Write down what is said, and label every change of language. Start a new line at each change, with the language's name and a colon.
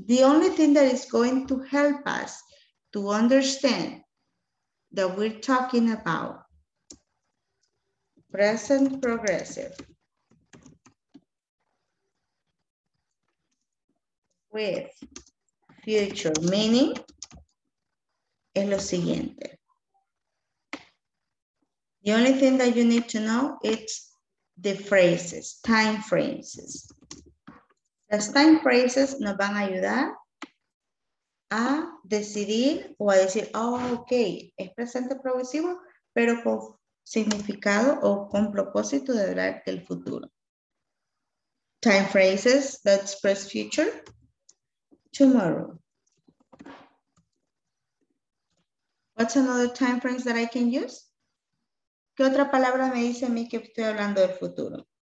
English: The only thing that is going to help us to understand that we're talking about present progressive with future meaning
Spanish: es lo siguiente.
English: The only thing that you need to know is the phrases, time phrases.
Spanish: Las time phrases nos van a ayudar a decidir o a decir, oh, ok, es presente progresivo, pero con significado o con propósito de hablar del futuro.
English: Time phrases that express future. Tomorrow. What's another time phrase that I can use?
Spanish: ¿Qué otra palabra me dice a mí que estoy hablando del futuro?